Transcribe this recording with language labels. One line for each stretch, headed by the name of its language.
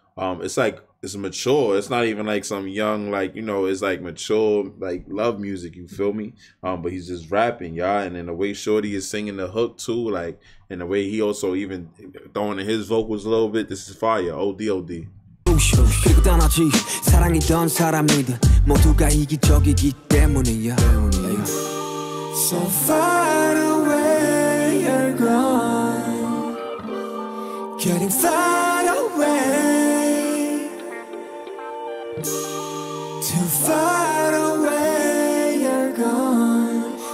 English: It's like, it's mature. It's not even like some young, like, you know, it's like mature, like love music, you feel me? But he's just rapping, y'all. And then the way Shorty is singing the hook too, like, and the way he also even throwing in his vocals a little bit, this is fire. OD, OD.
Korean: 그리고 떠나지 사랑이던 사람이든 모두가 이기적이기 때문이야.
English: So far away you're gone, getting far away, too far away you're gone.